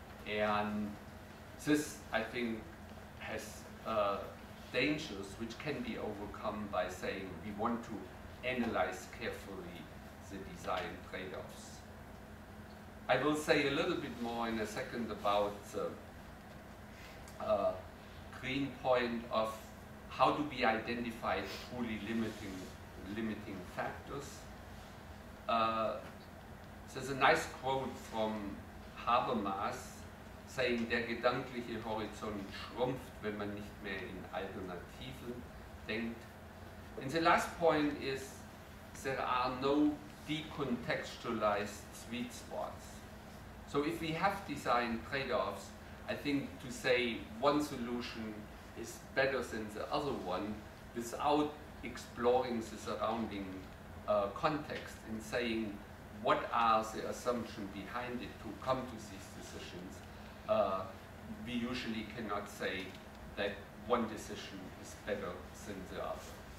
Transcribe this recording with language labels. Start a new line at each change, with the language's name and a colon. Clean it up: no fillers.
English: And this, I think, has dangers which can be overcome by saying we want to analyze carefully the design trade-offs. I will say a little bit more in a second about the green point of how do we identify truly limiting factors. There's a nice quote from Habermas saying,
German: der gedankliche Horizont schrumpft, wenn man nicht mehr in Alternativen denkt.
English: And the last point is, there are no decontextualized sweet spots. So if we have design trade-offs, I think to say one solution is better than the other one without exploring the surrounding context and saying what are the assumptions behind it to come to these decisions, we usually cannot say that one decision is better than the other.